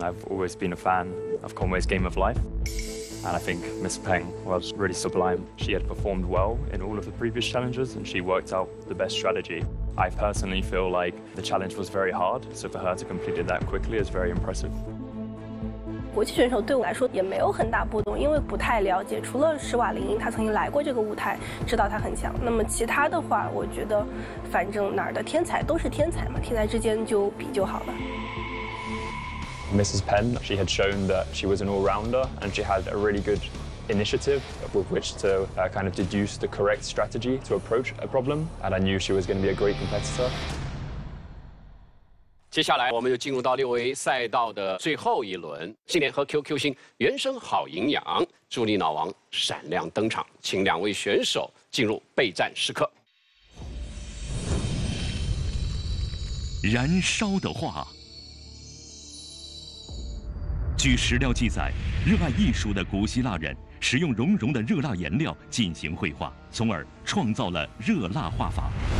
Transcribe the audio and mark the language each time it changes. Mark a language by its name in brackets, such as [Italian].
[English] I've always been a fan of Conway's Game of Life. And I think Miss Peng was really sublime. She had performed well in all of the previous challenges and she worked out the best strategy. I personally feel like the challenge was very hard, so for her to complete it that quickly is very impressive. [Chinese] 国际选手对我来说也没有很大波动，因为不太了解，除了施瓦林因他曾经来过这个舞台，知道他很强，那么其他的话我觉得反正哪儿的天才都是天才嘛，天才之间就比就好了。 [English] Mrs. Penn, she had shown that she was an all-rounder and she had a really good initiative with which to kind of deduce the correct strategy to approach a problem, and I knew she was going to be a great competitor. [Chinese] 接下来我们就进入到六 A 赛道的最后一轮，信联和 QQ 星原生好营养助力脑王闪亮登场，请两位选手进入备战时刻。燃烧的话，据史料记载，热爱艺术的古希腊人使用熔融的热蜡颜料进行绘画，从而创造了热蜡画法。